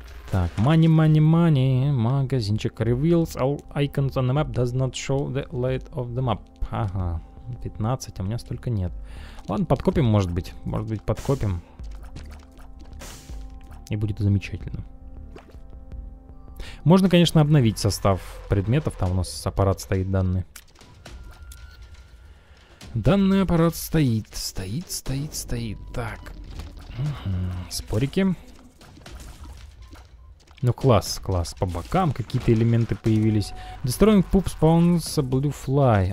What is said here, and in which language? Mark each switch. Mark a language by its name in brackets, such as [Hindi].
[Russian] Так, [English] money, [Russian] магазинчик [English] reveals all icons on the map does not show the light of the map. [Russian] Ага, 15, а у меня столько нет. Ладно, подкопим, может быть. Может быть, подкопим. И будет замечательно. Можно, конечно, обновить состав предметов. Там у нас аппарат стоит данный. Данный аппарат стоит. Стоит. Так. Спорики. Ну, класс. По бокам какие-то элементы появились. [English] Destroying poop spawns a blue fly.